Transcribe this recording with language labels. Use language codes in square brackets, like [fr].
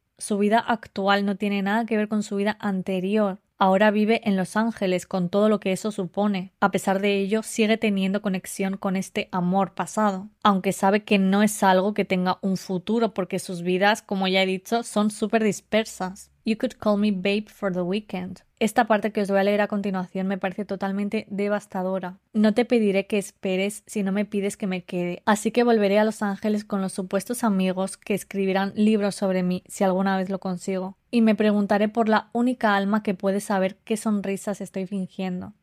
[es] Su vida actual no tiene nada que ver con su vida anterior. Ahora vive en Los Ángeles con todo lo que eso supone. A pesar de ello, sigue teniendo conexión con este amor pasado. Aunque sabe que no es algo que tenga un futuro porque sus vidas, como ya he dicho, son súper dispersas. [en] You could call me babe for the weekend. [es] Esta parte que os voy a leer a continuación me parece totalmente devastadora. No te pediré que esperes si no me pides que me quede. Así que volveré a Los Ángeles con los supuestos amigos que escribirán libros sobre mí si alguna vez lo consigo. Y me preguntaré por la única alma que puede saber qué sonrisas estoy fingiendo.